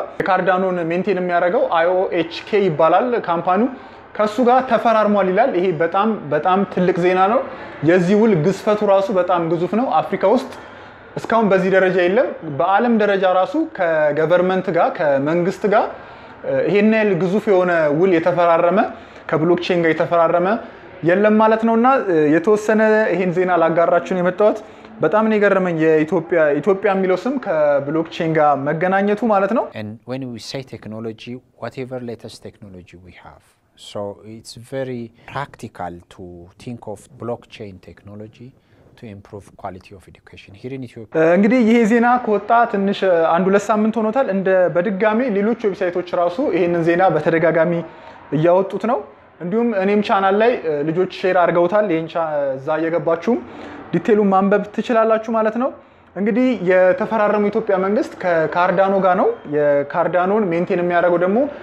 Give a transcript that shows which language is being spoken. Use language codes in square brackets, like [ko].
[en] Cardano is maintained by IOHK company. [am] ከሱ ጋር ተፈራርሟል ይላል። ይሄ በጣም በጣም ትልቅ ዜና ነው። የዚህ ውል ግዝፈቱ ራሱ በጣም ግዙፍ ነው። አፍሪካ ውስጥ እስካሁን በዚህ ደረጃ የለም። በዓለም ደረጃ ራሱ ከገቨርንመንት ጋር ከመንግስት ጋር ይሄን ያህል ግዙፍ የሆነ ውል የተፈራረመ ከብሎክቼን ጋር የተፈራረመ የለም ማለት ነውና የተወሰነ ይሄን ዜና ላጋራችሁ ነው የመጣሁት። በጣም ነው የገረመኝ የኢትዮጵያ የሚለው ስም ከብሎክቼን ጋር መገናኘቱ ማለት ነው። [en] And when we say technology, whatever latest technology we have, so it's very practical to think of blockchain technology to improve quality of education here in Ethiopia. [am] እንግዲ ይሄ ዜና ቆጣ ትንሽ አንዱ ለሳምንት ሆኖታል። እንደ በድጋሚ ሌሎች ዌብሳይቶች ራሱ ይሄንን ዜና በተደጋጋሚ እያወጡት ነው። እንዲሁም እኔም ቻናል ላይ ልጆች ሼር አርገውታል። ይሄን ቻዛ የገባችሁም ዲቴሉን ማንበብ ትችላላችሁ ማለት ነው። እንግዲ የተፈራረመው ኢትዮጵያ መንግስት ከካርዳኖ ጋር ነው። የካርዳኖን ሜንቴን የሚያደርገው ደግሞ